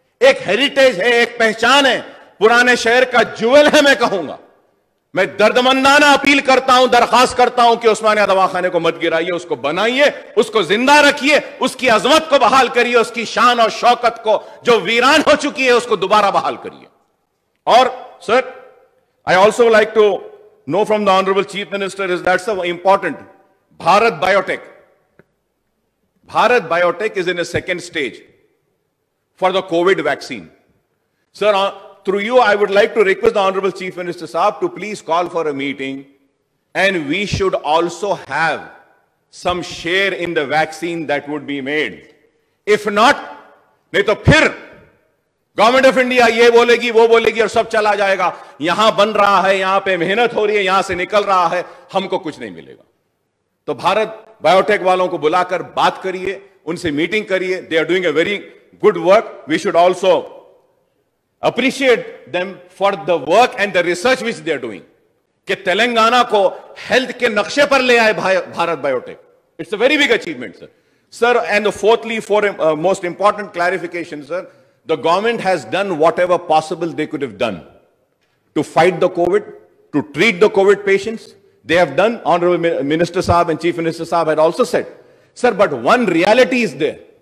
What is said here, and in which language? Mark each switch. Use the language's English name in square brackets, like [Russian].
[Hindi] एक हेरिटेज है, एक पहचान है, पुराने शहर का ज्वेल है. मैं कहूंगा, मैं दर्दमंदाना अपील करता हूं, दरखास्त करता हूं कि उस्मानिया दवाखाने को मत गिराइए, उसको बनाइए, उसको जिंदा रखिए, उसकी अजमत को बहाल करिए, उसकी शान और शौकत को जो वीरान हो चुकी है उसको दोबारा बहाल करिए. और sir, [English] I also like to know from the Honorable Chief Minister, is that so important? Bharat Biotech. Bharat Biotech is in a second stage for the COVID vaccine. Sir, through you, I would like to request the Honorable Chief Minister Saab to please call for a meeting, and we should also have some share in the vaccine that would be made. If not, [Hindi] nahi to phir government of India ये बोलेगी वो बोलेगी और सब चला जाएगा. यहां बन रहा है, यहां पे मेहनत हो रही है, यहां से निकल रहा है, हमको कुछ नहीं मिलेगा. तो भारत बायोटेक वालों को बुलाकर बात करिए, उनसे मीटिंग करिए. [English] They are doing a very good work. We should also appreciate them for the work and the research which they are doing [Hindi] के तेलंगाना को हेल्थ के नक्शे पर ले आए [English] Bharat Biotech. It's a very big achievement sir. Sir and fourthly for most important clarification sir, the government has done whatever possible they could have done to fight the COVID, to treat the COVID patients. They have done. Honorable Minister Saab and Chief Minister Saab had also said, sir, but one reality is there.